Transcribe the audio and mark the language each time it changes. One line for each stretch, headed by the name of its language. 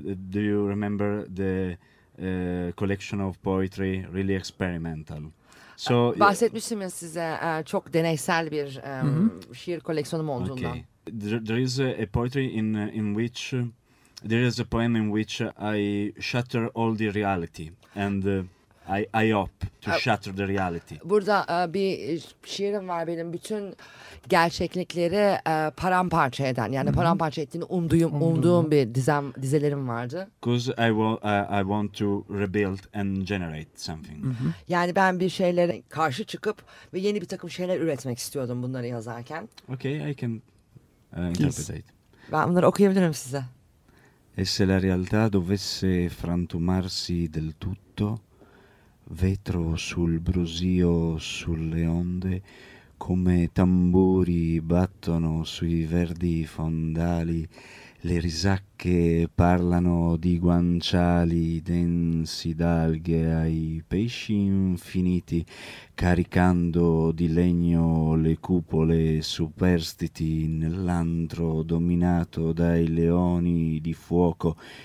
English: Do you remember the collection of poetry, really experimental?
Turkish: So, bahsetmiştim ya size çok deneysel bir mm-hmm. şiir koleksiyonum olduğundan.
English: Okay. There is a poetry in which... There is a poem in which I shatter all the reality and I hope to shatter the reality.
Turkish: Burada bir şiirim var benim. Bütün gerçeklikleri paramparça eden, yani mm-hmm. paramparça ettiğini umduğum bir dizelerim vardı.
English: Because I want to rebuild and generate something. Mm-hmm.
Turkish: Yani ben bir şeylere karşı çıkıp ve yeni bir takım şeyler üretmek istiyordum bunları yazarken.
English: Okay, I can interpret it.
Turkish: Ben bunları okuyabilirim size.
Italian: E se la realtà dovesse frantumarsi del tutto, vetro sul brusio, sulle onde, come tamburi battono sui verdi fondali, le risacche parlano di guanciali densi d'alghe ai pesci infiniti, caricando di legno le cupole superstiti nell'antro dominato dai leoni di fuoco,